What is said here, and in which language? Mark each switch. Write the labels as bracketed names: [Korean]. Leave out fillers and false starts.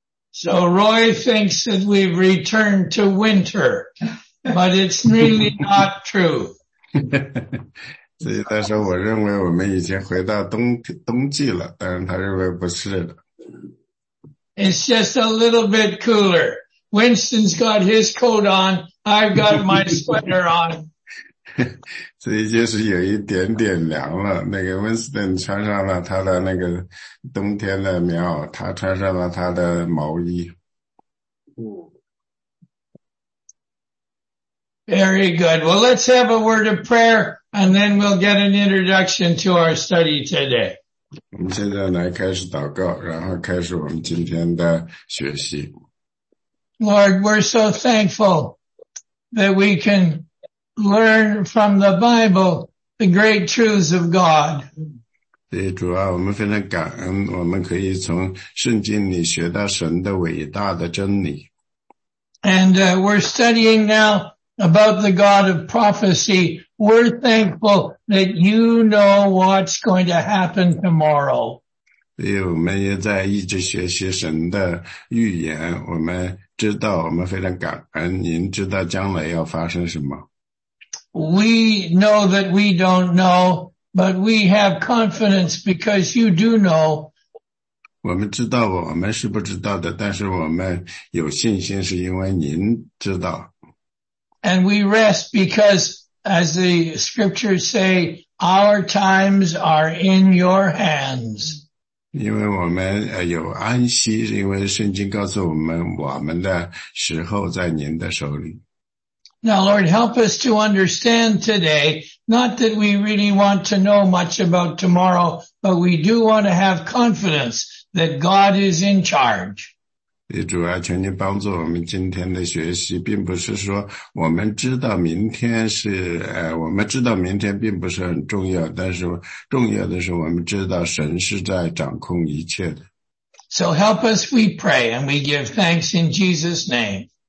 [English] So Roy thinks that we've returned to winter, but it's really not true. [Chinese] 所以他说：“我认为我们已经回到冬季了，但是他认为不是的。 [English] It's just a little bit cooler. Winston's got his coat on, I've got my sweater on. [Chinese] 所以就是有一点点凉了。那个 Winston 穿上了他的那个冬天的棉袄，他穿上了他的毛衣。 [English] Very good. Well, let's have a word of prayer and then we'll get an introduction to our study today. [Chinese] 我们现在来开始祷告，然后开始我们今天的学习。 [English] Lord, we're so thankful that we can learn from the Bible the great truths of God. [Chinese] 对，主啊，我们非常感恩，我们可以从圣经里学到神的伟大的真理。 [English] And we're studying now about the God of prophecy. We're thankful that you know what's going to happen tomorrow. [Chinese] 所以我们也在一直学习神的预言，我们知道，我们非常感恩，您知道将来要发生什么。 [English] We know that we don't know, but we have confidence because you do know. [Chinese] 我们知道我们是不知道的，但是我们有信心，是因为您知道。 [English] And we rest because, as the scriptures say, our times are in your hands. [Chinese] 因为我们有安息，因为圣经告诉我们，我们的时候在您的手里。 [English] Now, Lord, help us to understand today, not that we really want to know much about tomorrow, but we do want to have confidence that God is in charge. [Chinese] 主啊，求你帮助我们今天的学习，并不是说我们知道明天是，我们知道明天并不是很重要，但是重要的是我们知道神是在掌控一切的。 [English] So help us, we pray, and we give thanks in Jesus' name.